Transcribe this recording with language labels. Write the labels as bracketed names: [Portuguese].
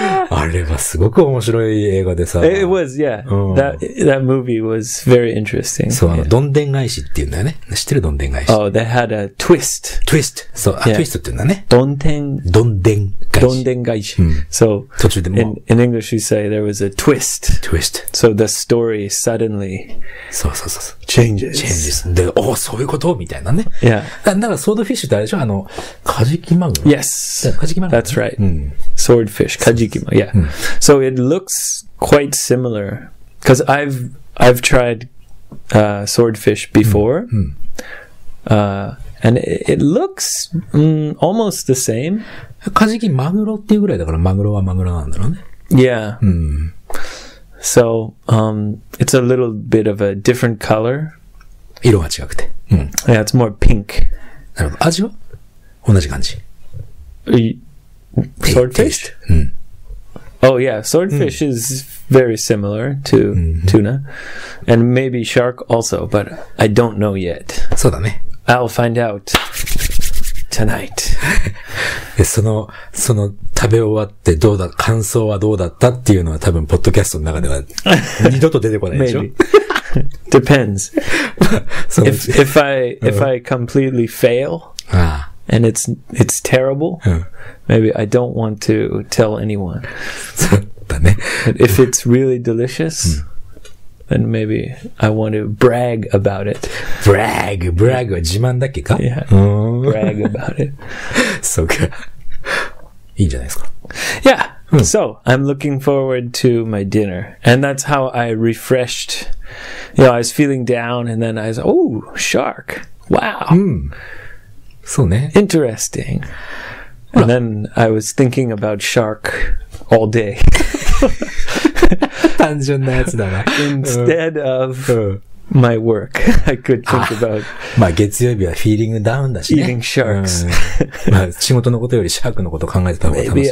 [Japanese] あれはすごく面白い映画でさ。 [English] It was, yeah.、うん、that movie was very interesting. [Japanese] そう、あの、どんでん返しっていうんだよね。知ってるどんでん返し。 [English] Oh, they had a twist. Twist. [Japanese] そう、あ、 [English] yeah. [Japanese] twist っていうんだね。どんでん。どんでん返し。どんでん返し。うん、so, 途中でも [English] in English you say there was a twist. Twist. So the story suddenly changes. Changes. [Japanese] で、お、そういうことみたいなね。 [English] Yeah. [Japanese] だからソードフィッシュってあれでしょ、あの、カジキマグロ。 [English] Yes. [Japanese] カジキマグロ。 [English] That's right.、うん、Swordfish, Kajikima, yeah. So it looks quite similar. Because I've tried swordfish before. And it looks almost the same. [Japanese] Kajiki Maguro っていうぐらいだから、マグロはマグロなんだろうね。 [English] Yeah. So it's a little bit of a different color. [Japanese] 色が違くて。 [English] Yeah, it's more pink. [Japanese] なるほど。味は同じ感じ。 [English] Swordfish? Oh yeah, swordfish is very similar to tuna. And maybe shark also, but I don't know yet. [Japanese] そうだね。 [English] I'll find out tonight. [Japanese] その食べ終わってどうだ、感想はどうだったっていうのは多分ポッドキャストの中では二度と出てこないでしょ。 [English] Depends. if I completely fail. [Japanese] ああ。 [English] And it's terrible.、 [Japanese] うん、 [English] Maybe I don't want to tell anyone. [Japanese] そうだね。 [English] But if it's really delicious,、うん、then maybe I want to brag about it. [Japanese] Brag は自慢だっけか？ [English] Yeah. Brag about it. [Japanese] そうか。いいんじゃないですか。 [English] Yeah.、うん、so, I'm looking forward to my dinner. And that's how I refreshed. You know, I was feeling down and then I was, oh, shark. Wow.、 [Japanese] うんそうね。 [English] Interesting. And then I was thinking about shark all day. [Japanese] 単純なやつだな。 [English] Instead of my work, I could think about. [Japanese] まあ月曜日はフィーリングダウンだしね。 [English] Eating sharks. [Japanese] まあ仕事のことよりシャークのことを考えてた方が楽しい、ね。